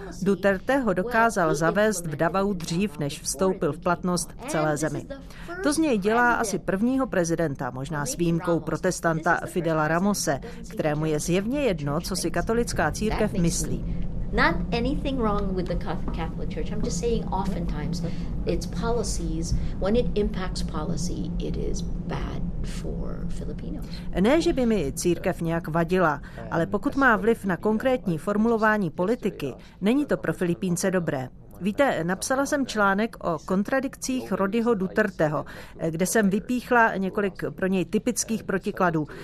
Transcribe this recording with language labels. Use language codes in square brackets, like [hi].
[cs] Duterte ho dokázal zavést v Davao dřív, než vstoupil v platnost v celé zemi. To z něj dělá asi prvního prezidenta, možná s výjimkou protestanta Fidela Ramose, kterému je zjevně jedno, co si katolická církev myslí. [en] Not anything wrong with the Catholic Church. I'm just saying oftentimes its policies, when it impacts policy, it is bad for Filipinos. [cs] Ne, že by mi církev nějak vadila, ale pokud má vliv na konkrétní formulování politiky, není to pro Filipínce dobré. Víte, napsala jsem článek o kontradikcích Rodiho Duterteho, kde jsem vypíchla několik pro něj typických protikladů.